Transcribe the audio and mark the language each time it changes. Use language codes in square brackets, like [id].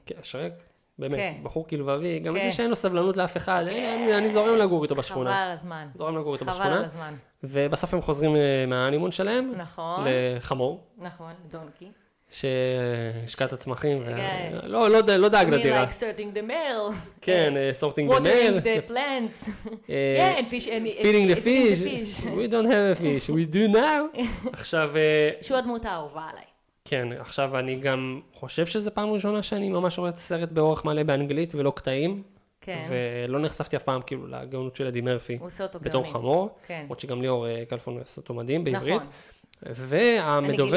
[he] כן, שרק, באמת, בחור כלבבי, גם את זה שאין לו סבלנות לאף אחד, אני זורם לגור איתו בשכונה. חבל הזמן. זורם לגור איתו בשכונה. חבל הזמן. ובסוף הם חוזרים מהאנימון שלהם. נכון. לחמור. נכון, דונקי. שהשקעת הצמחים, לא דאג לדירה. [en] אני like sorting the mail. [he] כן, [en] sorting the mail. Watering the plants. Yeah, and feeding the fish. We don't have a fish, we do now. [he] עכשיו... שהוא הדמות האהובה עליי. כן, עכשיו אני גם חושב שזה פעם ראשונה שאני ממש רואה את הסרט באורך מלא באנגלית ולא קטעים. כן. ולא נחשפתי אף פעם כאילו לגאונות של אדי מרפי. הוא עושה אותו גאוני. בתור חמור. כן. עוד שגם ליאור קלפון עושה אותו מדהים בעברית. נכון. והמדובר...